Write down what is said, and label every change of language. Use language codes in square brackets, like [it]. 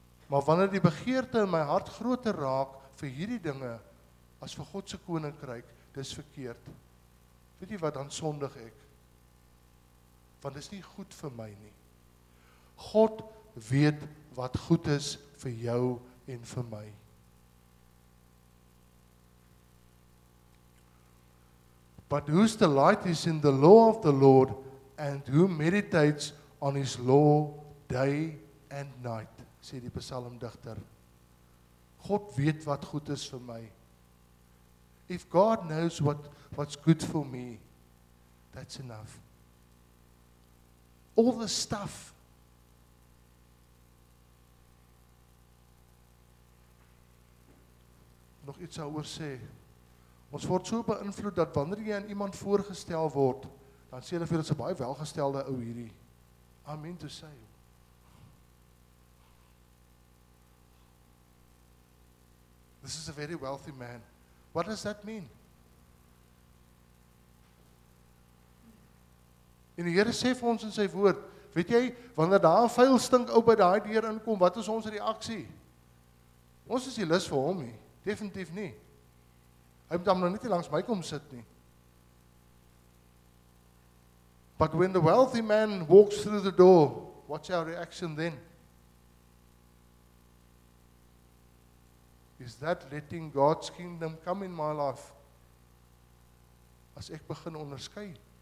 [af] Maar wanneer die begeerte in my hart groter raak vir hierdie dinge, as vir God se koninkryk, dis verkeerd. Weet jy wat, dan sondig ek. Want dis nie goed vir my nie. God weet wat goed is vir jou en vir my. [en] But whose delight is in the law of the Lord, and who meditates on his law day and night? [af] Sê die psalmdigter. God weet wat goed is vir my. [en] If God knows what's good for me, that's enough. All the stuff. [af] Nog iets sou oor sê. Ons word so beïnvloed dat wanneer jy aan iemand voorgestel word, dan sê hulle vir jou, dit's 'n baie welgestelde ou hierdie. [en] I mean to say. This is a very wealthy man. What does that mean? [af] En die Here sê vir ons in sy woord, weet jy, wanneer daar 'n vuil stink ou by daai deur inkom, wat is ons reaksie? Ons is nie lus vir hom nie, definitief nie. Hy moet hom nou net langs my kom sit nie. [en] But when the wealthy man walks through the door, what's our reaction then? Is that letting God's kingdom come in my life? [af] As ek begin onderskei.